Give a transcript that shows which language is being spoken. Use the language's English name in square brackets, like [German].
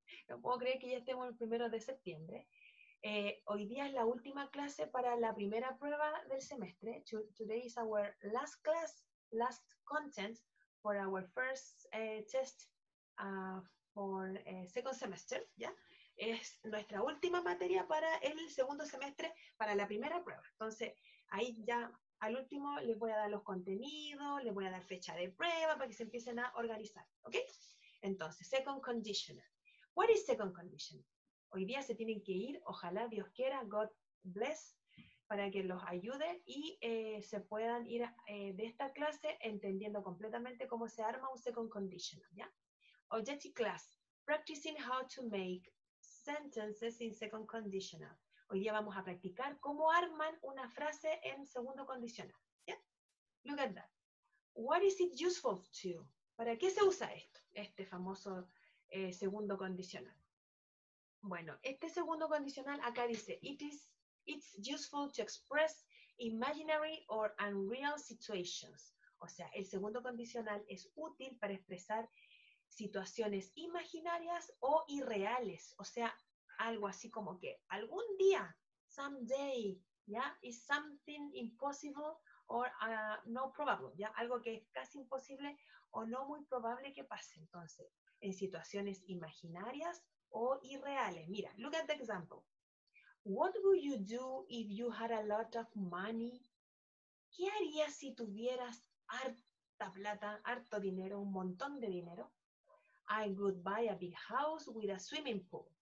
[Spanish] No puedo creer que ya estemos el primero de septiembre. Hoy día es la última clase para la primera prueba del semestre. [English] Today is our last class, last content for our first test for second semester. [Spanish] ¿Ya? Es nuestra última materia para el segundo semestre para la primera prueba. Entonces, ahí ya al último les voy a dar los contenidos, les voy a dar fecha de prueba para que se empiecen a organizar. ¿Ok? [English] Entonces, second conditional. What is second conditional? [Spanish] Hoy día se tienen que ir, ojalá Dios quiera, [English] God bless, [Spanish] para que los ayude y se puedan ir de esta clase entendiendo completamente cómo se arma un second conditional, ¿ya? [English] Objective class, practicing how to make sentences in second conditional. [Spanish] Hoy día vamos a practicar cómo arman una frase en segundo condicional, ¿ya? [English] Look at that. What is it useful to? [Spanish] ¿Para qué se usa esto, este famoso segundo condicional? Bueno, este segundo condicional acá dice [English] it's useful to express imaginary or unreal situations. [Spanish] O sea, el segundo condicional es útil para expresar situaciones imaginarias o irreales. O sea, algo así como que algún día, someday, ¿ya? [English] Is something impossible or no probable, ¿ya? [Spanish] Algo que es casi imposible o no muy probable que pase. Entonces, en situaciones imaginarias o irreales. [English] Mira, look at the example. What would you do if you had a lot of money? [Spanish] ¿Qué harías si tuvieras harta plata, harto dinero, un montón de dinero? [English] I would buy a big house with a swimming pool.